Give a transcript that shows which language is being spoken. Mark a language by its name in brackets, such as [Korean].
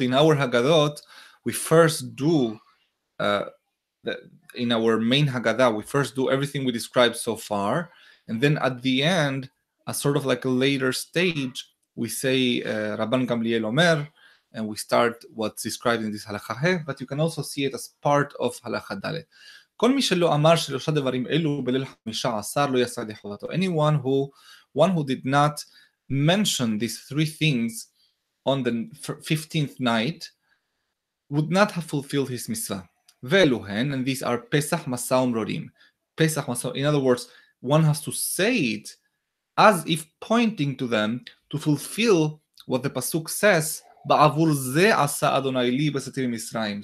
[English] In our Haggadot, we first do, in our main Haggadah, we first do everything we described so far, and then at the end, a sort of like a later stage, we say Rabban Gamliel Omer, and we start what's described in this Halakha He, but you can also see it as part of Halakha Dalet. [Hebrew] כל מי שלא אמר שלושה דברים אלו בליל חמישה עשר לא יעשה דחותו. [English] Anyone who did not mention these three things on the 15th night would not have fulfilled his mitzvah. [Hebrew] ואלו הן, [English] and these are Pesach, Masa, ומרורים. Pesach, Masa, in other words, one has to say it as if pointing to them to fulfill what the Pasuk says, [Hebrew] בעבור זה עשה אדוני לי בסתיר מצרים.